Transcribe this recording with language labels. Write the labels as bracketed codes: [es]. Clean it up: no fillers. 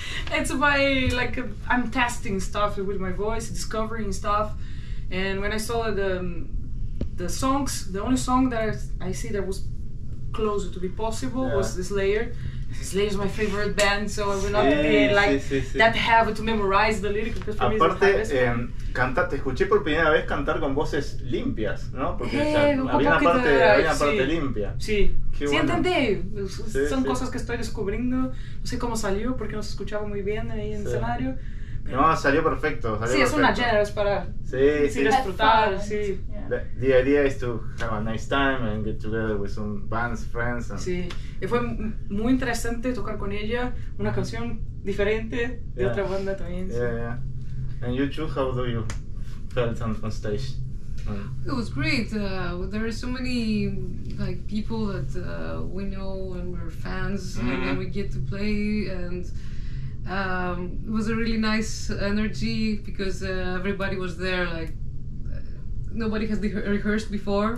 [en] It's my like I'm testing stuff with my voice, discovering stuff, and when I saw the songs, the only song that I see that was closer to be possible was the Slayer. Slayer is my favorite band, so I will not be like that habit to memorize the lyrics. Because for [es] aparte, cantaste, escuché por primera vez cantar con voces limpias, ¿no? Porque había una parte limpia. Sí. Sí, bueno. Entendí. Son cosas que estoy descubriendo. No sé cómo salió, porque no se escuchaba muy bien ahí en el escenario. Pero no, salió perfecto. Es una jam, es para disfrutar. Sí. [en] The idea is to have a nice time and get together with some bands, friends. And [es] sí, y fue muy interesante tocar con ella una canción diferente de otra banda también. [en] Yeah, yeah. And you too, how do you felt on stage? It was great. There are so many like people that we know and we're fans, and we get to play, and It was a really nice energy because everybody was there, like nobody has rehearsed before.